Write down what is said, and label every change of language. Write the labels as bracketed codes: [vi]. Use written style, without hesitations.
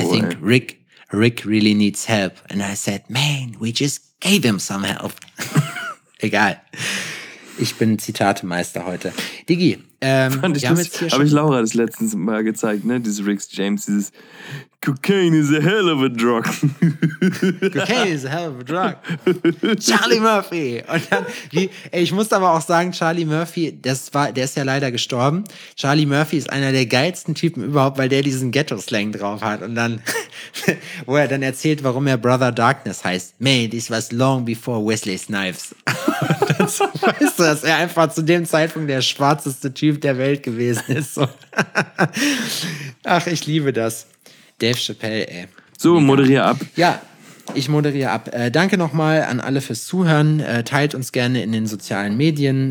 [en] I think Rick really needs help. And I said, man, we just gave him some help. [de] Egal. Ich bin Zitatemeister heute. Digi, habe ich Laura das letztens mal gezeigt, ne? Dieses Rick James, dieses [en] Cocaine is a hell of a drug. Cocaine is a hell of a drug. Charlie Murphy. [de] Und dann, ich muss aber auch sagen, Charlie Murphy, der ist ja leider gestorben. Charlie Murphy ist einer der geilsten Typen überhaupt, weil der diesen Ghetto-Slang drauf hat. Und dann, wo er dann erzählt, warum er Brother Darkness heißt. [en] Man, this was long before Wesley Snipes. [de] Und weißt du, dass er einfach zu dem Zeitpunkt der schwarzeste Typ der Welt gewesen ist. So. Ach, ich liebe das. Dave Chappelle, ey. So, moderier ab. Ja, ich moderiere ab. Danke nochmal an alle fürs Zuhören. Teilt uns gerne in den sozialen Medien.